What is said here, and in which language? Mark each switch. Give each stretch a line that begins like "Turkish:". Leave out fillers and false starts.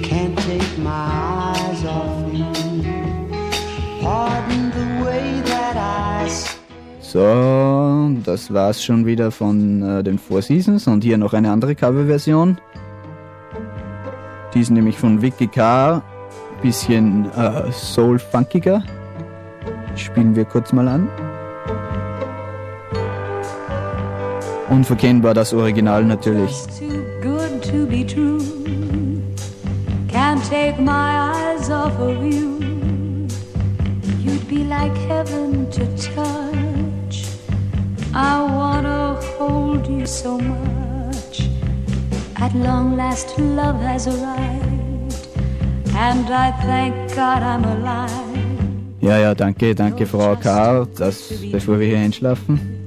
English: Can't take my eyes off you. Pardon the way that I.
German: So, das war's schon wieder von den Four Seasons. Und hier noch eine andere Coverversion. Die ist nämlich von Vicky Carr. Bisschen soul-funkiger. Spielen wir kurz mal an. Unverkennbar das Original natürlich.
English: It's too good to be true. Can't take my eyes off of you. You'd be like heaven to touch. I wanna hold you so much. At long last love has arrived. And I thank God I'm alive.
German: Ja, danke, danke Frau K., bevor wir hier einschlafen.